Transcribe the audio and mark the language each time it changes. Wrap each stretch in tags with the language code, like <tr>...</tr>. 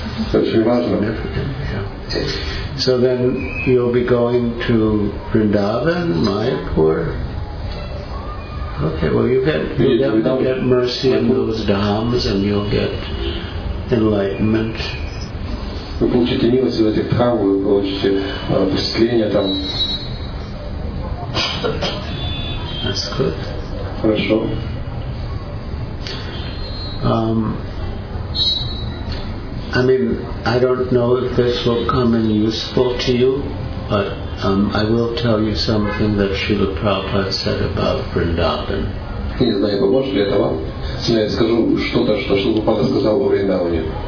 <en>That's very significant. So then you'll be going to Vrindavan, Mayapur. Okay, well, you'll get mercy in those dhams, and you'll get enlightenment.</en> <ru>Вы получите милость в этих дхамах, вы получите просветление там.</ru> <en>That's good.</en> <ru>Хорошо.</ru> <en>I mean, I don't know if this will come in useful to you, but I will tell you something that Srila Prabhupada said about Vrindavan.</en> <ru>Не знаю, поможет ли это вам, но я скажу что-то, что Шрила Прабхупада сказал о Вриндаване.</ru>